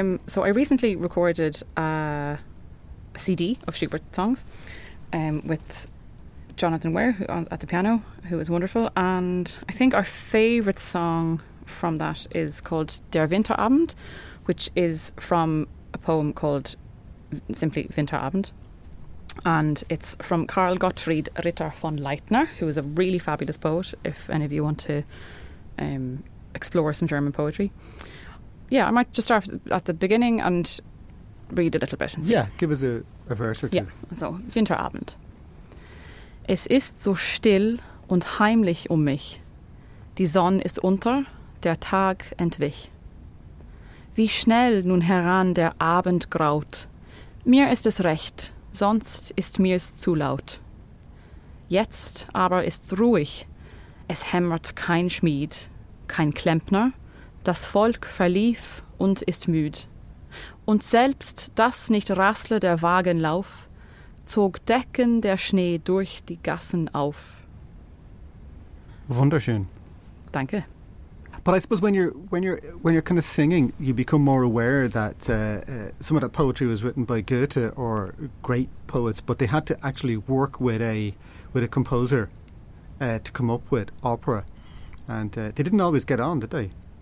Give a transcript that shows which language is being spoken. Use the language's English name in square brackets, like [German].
[English] So I recently recorded a CD of Schubert songs with Jonathan Ware at the piano, who is wonderful, and I think our favourite song from that is called Der Winterabend, which is from a poem called simply Winterabend, and it's from Karl Gottfried Ritter von Leitner, who is a really fabulous poet, if any of you want to explore some German poetry. Yeah, I might just start at the beginning and read a little bit and see. Yeah, give us a verse or two. Yeah, so Winterabend. [German] Es ist so still und heimlich um mich. Die Sonne ist unter, der Tag entwich. Wie schnell nun heran der Abend graut. Mir ist es recht, sonst ist mir's zu laut. Jetzt aber ist's ruhig. Es hämmert kein Schmied, kein Klempner. Das Volk verlief und ist müd. Und selbst das nicht rassle der Wagenlauf, zog Decken der Schnee durch die Gassen auf. Wunderschön. Danke. [English] But I suppose when you're kind of singing, you become more aware that some of that poetry was written by Goethe or great poets, but they had to actually work with a composer to come up with opera, and they didn't always get on, did they?